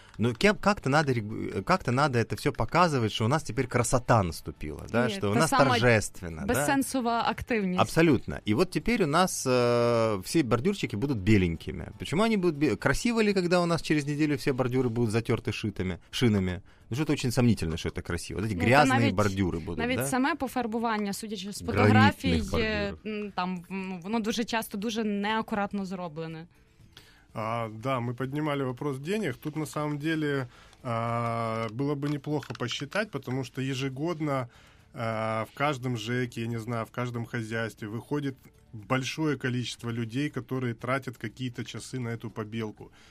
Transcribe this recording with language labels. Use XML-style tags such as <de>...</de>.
<ru>Но как-то надо это все показывать, что у нас теперь красота наступила, да, нет, что у нас торжественно. Бессенсовая активность. Абсолютно. И вот теперь у нас все бордюрчики будут беленькими. Почему они будут беленькими? Красиво ли, когда у нас через неделю все бордюры будут затерты шинами? Ну, что-то очень сомнительно, что это красиво. Вот эти грязные бордюры будут,</ru> <uk>навіть,</uk> <ru>да?</ru> <uk>Навіть саме пофарбування, судячи з фотографій, там, воно дуже часто дуже неаккуратно зроблене.</uk> <ru>Да, мы поднимали вопрос денег. Тут на самом деле было бы неплохо посчитать, потому что ежегодно в каждом ЖЭКе, я не знаю, в каждом хозяйстве выходит большое количество людей, которые тратят какие-то часы на эту побелку.</ru>